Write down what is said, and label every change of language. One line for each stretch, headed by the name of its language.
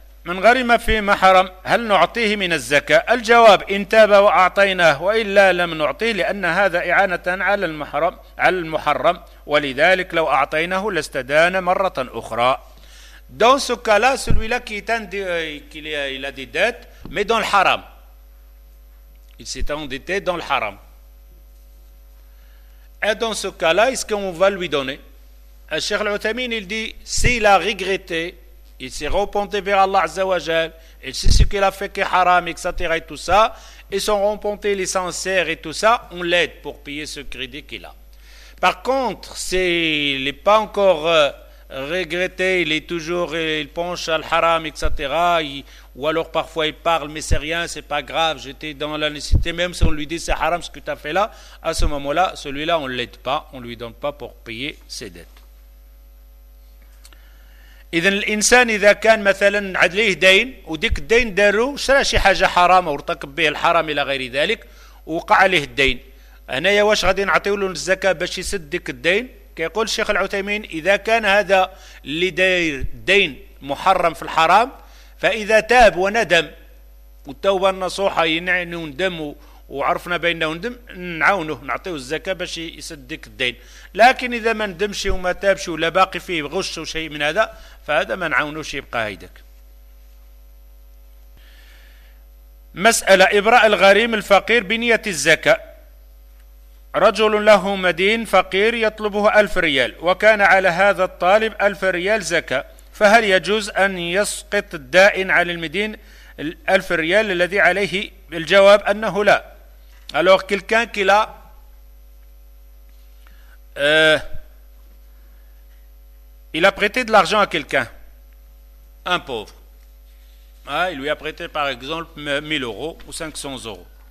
Arabic: من غرم في محرم هل نعطيه من الزكاة؟ الجواب إن تاب وأعطيناه وإلا لم نعطيه لأن هذا إعانة على المحرم ولذلك لو أعطيناه لاستدان مرة أخرى.
French: Dans ce cas-là, celui-là qui a des dettes, mais dans le haram. Il s'est endetté dans le haram. Et dans ce cas-là, est-ce qu'on va lui donner? Cheikh Al-Uthaymeen, il dit, s'il a regretté, il s'est repenti vers Allah Azza wa Jal, et c'est ce qu'il a fait qui est haram, etc. et tout ça, et son repenti, il est sincère et tout ça, on l'aide pour payer ce crédit qu'il a. Par contre, s'il n'est pas encore regretté, il est toujours, il penche à le haram, etc. Ou alors parfois il parle, mais c'est rien, c'est pas grave, j'étais dans la nécessité, même si on lui dit c'est haram ce que tu as fait là, à ce moment-là, celui-là, on ne l'aide pas, on ne lui donne pas pour payer ses dettes.
Arabic: إذن الإنسان إذا كان مثلا عليه دين وديك الدين داروا شرى شي حاجة حرام أو ارتكب به الحرام إلى غير ذلك وقع عليه الدين هنا يا واش غادي نعطيه له الزكاة باش يسد ديك الدين؟ كيقول الشيخ العثيمين إذا كان هذا اللي داير دين محرم في الحرام فإذا تاب وندم والتوبة النصوحة ينعنوا وندم وعرفنا بيننا وندم نعاونه نعطيه الزكاة باش يسد ديك الدين لكن إذا ما ندمش وما تابش ولا باقي فيه غش وشيء من هذا فهذا ما نعاونوش يبقى هيدك. مسألة إبراء الغريم الفقير بنية الزكاة. رجل له مدين فقير يطلبه 1000 ريال وكان على هذا الطالب 1000 ريال زكاة فهل يجوز أن يسقط الدائن على المدين 1000 ريال الذي عليه؟ الجواب أنه لا.
French: Alors quelqu'un qui l'a il a prêté de l'argent à quelqu'un, un pauvre. Ah, il lui a prêté par exemple 1000 euros ou 500 euros.